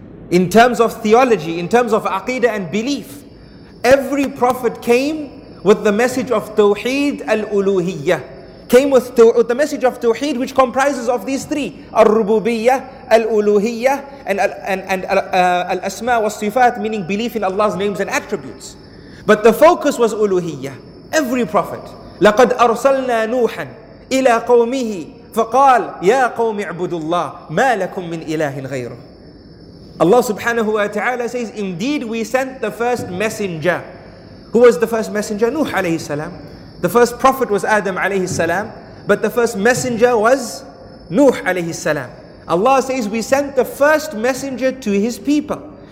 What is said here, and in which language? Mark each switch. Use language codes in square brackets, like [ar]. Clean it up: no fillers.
[en] In terms of theology, in terms of aqidah and belief, every prophet came with the message of tawheed al-uluhiyyah. Came with the message of tawheed, which comprises of these three: al-rububiyyah, al-uluhiyyah, and al-asma wa sifat, meaning belief in Allah's names and attributes. But the focus was uluhiyyah. Every prophet, [ar] لَقَدْ أَرْسَلْنَا نُوحًا إِلَىٰ قَوْمِهِ فَقَالَ يَا قَوْمِ اعْبُدُوا اللَّهَ مَا لَكُمْ مِنْ إِلَٰهٍ غَيْرُهُ. [en] Allah subhanahu wa ta'ala says, indeed we sent the first messenger. Who was the first messenger? Nuh alayhi salam. The first prophet was Adam alayhi salam. But the first messenger was Nuh alayhi salam. Allah says, we sent the first messenger to his people.